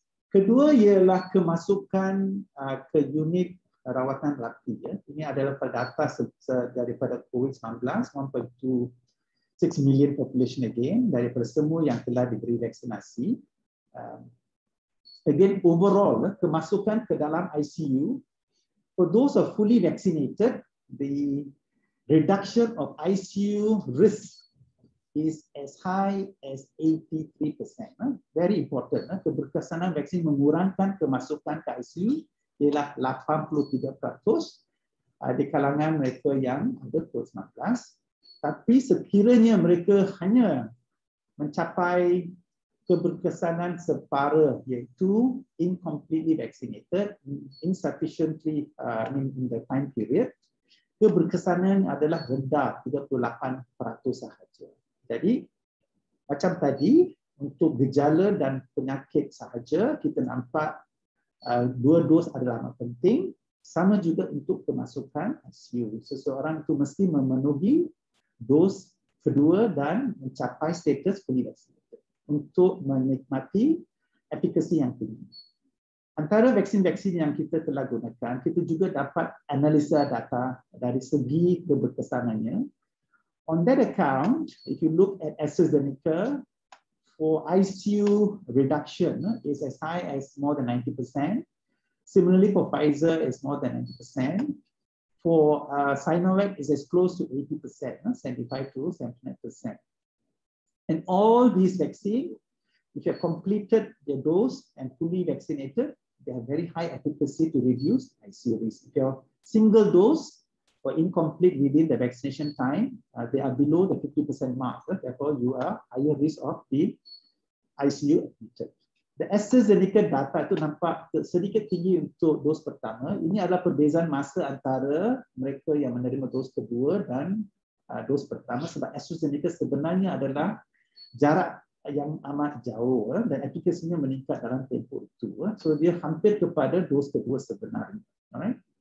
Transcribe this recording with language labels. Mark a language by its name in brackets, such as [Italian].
[Malay] Kedua ialah kemasukan ke unit rawatan rapi. Ya. Ini adalah data daripada COVID-19, [English] 1.26 million population again, [Malay] daripada semua yang telah diberi vaksinasi. [English] Again, overall, [Malay] kemasukan ke dalam ICU, [English] for those who are fully vaccinated, the reduction of ICU risk is as high as 83%. Very important. [Malay] Keberkesanan vaksin mengurangkan kemasukan ke ICU ialah 83% di kalangan mereka yang ada COVID-19. Tapi sekiranya mereka hanya mencapai keberkesanan separa, iaitu [English] incompletely vaccinated, insufficiently in the time period, [Malay] keberkesanan adalah rendah, 38% sahaja. Jadi, macam tadi, untuk gejala dan penyakit sahaja, kita nampak dua dos adalah amat penting. Sama juga untuk kemasukan ICU. Seseorang itu mesti memenuhi dos kedua dan mencapai status [English] fully vaccinated [Malay] untuk menikmati efficacy yang tinggi. Antara vaksin-vaksin yang kita telah gunakan, kita juga dapat analisa data dari segi keberkesanannya. [English] On that account, if you look at AstraZeneca, for ICU reduction is as high as more than 90%. Similarly, for Pfizer, is more than 90%. For Sinovac, is as close to 80%, 75% to 79%. And all these vaccines, if you have completed your dose and fully vaccinated, they have very high efficacy to reduce ICU risk. If your single dose or incomplete within the vaccination time, they are below the 50% mark. Therefore, you are higher risk of the ICU admitted. The AstraZeneca data [Malay] itu nampak sedikit tinggi untuk dos pertama. Ini adalah perbezaan masa antara mereka yang menerima dos kedua dan dos pertama, sebab AstraZeneca sebenarnya adalah jarak yang amat jauh dan efficacy-nya meningkat dalam tempoh itu. So, dia hampir kepada dos kedua sebenarnya. [English] Alright?